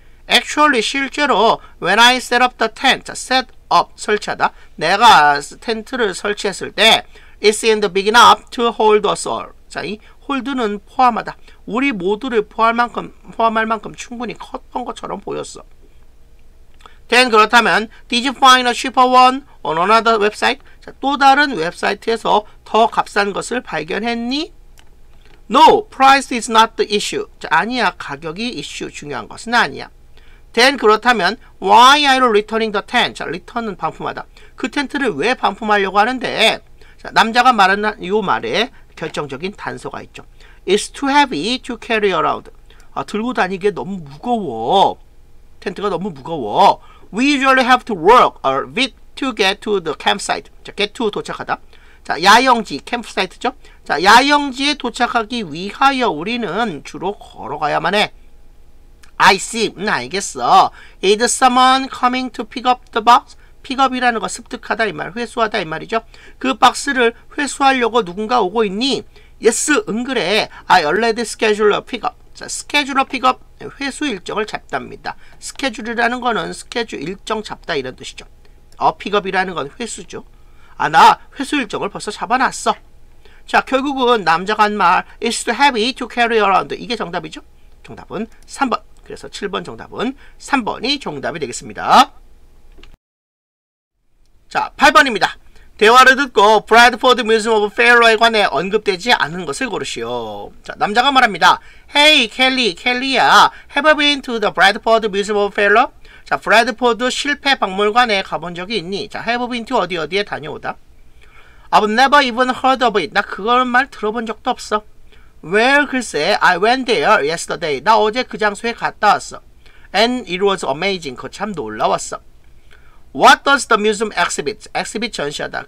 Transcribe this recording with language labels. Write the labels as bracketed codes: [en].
[en] Actually, [ko] 실제로 [en] when I set up the tent, set up, [ko] 설치하다. 내가 텐트를 설치했을 때 [en] it seemed big enough to hold us all. [ko] 자, 이 hold는 포함하다. 우리 모두를 포함할 만큼 충분히 컸던 것처럼 보였어. [en] Then [ko] 그렇다면 [en] did you find a cheaper one on another website? [ko] 자, 또 다른 웹사이트에서 더 값싼 것을 발견했니? [en] No, price is not the issue. [ko] 자, 아니야, 가격이 이슈, 중요한 것은 아니야. [en] Then [ko] 그렇다면 [en] why are you returning the tent? [ko] 자, return은 반품하다. 그 텐트를 왜 반품하려고 하는데? 자, 남자가 말한 이 말에 결정적인 단서가 있죠. [en] It's too heavy to carry around. [ko] 아, 들고 다니기에 너무 무거워. 텐트가 너무 무거워. [en] We usually have to walk a bit to get to the campsite. 자, get to [ko] 도착하다. 자, 야영지, 캠프사이트죠. 자, 야영지에 도착하기 위하여 우리는 주로 걸어가야만 해. [en] I see. [ko] 알겠어. [en] Is someone coming to pick up the box? [ko] Pick up이라는 거 습득하다 이 말, 회수하다 이 말이죠. 그 박스를 회수하려고 누군가 오고 있니? [en] Yes, [ko] 그래. [en] I already scheduled a pick up. 자, schedule a pick up, [ko] 회수 일정을 잡답니다. schedule이라는 거는 schedule 일정 잡다 이런 뜻이죠. a pick up이라는 건 회수죠. 아, 나 회수 일정을 벌써 잡아놨어. 자, 결국은 남자가 한 말, [en] it's too heavy to carry around. [ko] 이게 정답이죠? 정답은 3번. 그래서 7번 정답은 3번이 정답이 되겠습니다. 자, 8번입니다. 대화를 듣고 브래드포드 뮤지엄 오브 페어러에 관해 언급되지 않은 것을 고르시오. 자, 남자가 말합니다. Hey, 켈리, 켈리야. [en] Have you been to the Bradford Museum of Failure? [ko] 자, 브래드포드 실패 박물관에 가본 적이 있니? [en] 자, have you been to [ko] 어디 어디에 다녀오다? [en] I've never even heard of it. [ko] 나 그런 말 들어본 적도 없어. [en] Well, [ko] 글쎄, [en] I went there yesterday. [ko] 나 어제 그 장소에 갔다 왔어. [en] And it was amazing. [ko] 그거 참 놀라웠어. [en] What does the museum exhibit? Exhibit [ko] 전시하다.